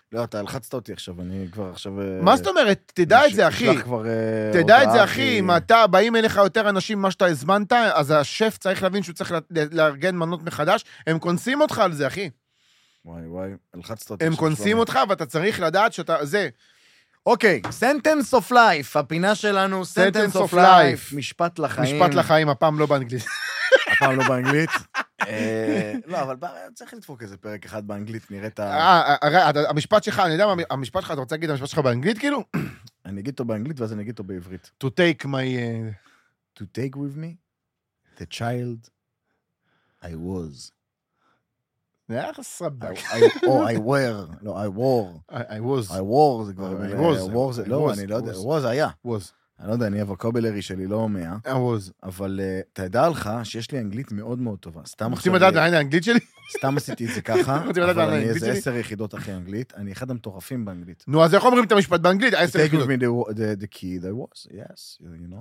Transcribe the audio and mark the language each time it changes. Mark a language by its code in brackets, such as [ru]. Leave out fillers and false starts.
[he] לא, אתה הלחצת אותי עכשיו, אני כבר עכשיו... מה זאת אומרת? תדע את זה, אחי. תדע את זה, אחי, אם אתה, באים אליך יותר אנשים ממה שאתה הזמנת, אז השף צריך להבין שהוא צריך לארגן מנות מחדש, הם קונסים אותך על זה, אחי. וואי, וואי, הלחצת אותי. הם קונסים אותך, ואתה צריך לדעת שאתה... זה. אוקיי, [en] sentence of life, [he] הפינה שלנו, sentence of life. משפט לחיים. משפט לחיים, הפעם לא באנגלית. הפעם לא באנגלית. לא, אבל צריך לדפוק איזה פרק אחד באנגלית, נראית ה... המשפט שלך, אני יודע מה, המשפט שלך, אתה רוצה להגיד את המשפט שלך באנגלית, כאילו? אני אגיד אותו באנגלית, ואז אני אגיד אותו בעברית. [en] To take my... To take with me the child I was. [he] זה היה סבבה. [en] או, I were. [he] לא, [en] I wore. I was. I wore, [he] זה כבר... [en] I was. [he] לא, אני לא יודע. was היה. [en] was. [he] אני לא יודע, אני הווקובלרי שלי לא מאה. אהוז. אבל תדע לך שיש לי אנגלית מאוד מאוד טובה. סתם עכשיו... רוצים לדעת על האנגלית שלי? סתם עשיתי את זה ככה, אבל אני איזה 10 יחידות אחרי אנגלית, אני אחד המטורפים באנגלית. נו, אז איך אומרים את המשפט באנגלית? 10 יחידות. [en] Take with me the key that was, yes, you know.